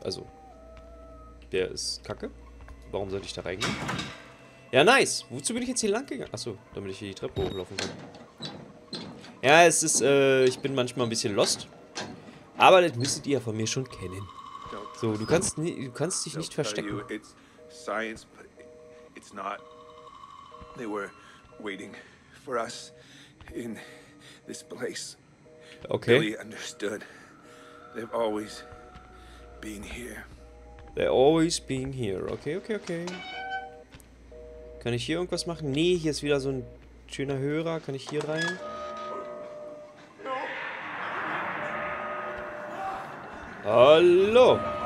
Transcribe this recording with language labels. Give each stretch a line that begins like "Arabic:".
German: Also, der ist kacke. Warum sollte ich da reingehen? Ja, nice. Wozu bin ich jetzt hier lang gegangen? Achso, damit ich hier die Treppe hochlaufen kann. Ja, es ist, ich bin manchmal ein bisschen lost. Aber das müsstet ihr ja von mir schon kennen. So, du kannst dich nicht verstecken.
English: It's science, but it's not. They were waiting for us in this place. Okay. Billy understood. They've always been here. They're always being here. Okay, okay, okay.
German: Kann ich hier irgendwas machen? Nee, hier ist wieder so ein schöner Hörer. Kann ich hier rein?
English: No.
German: Hallo.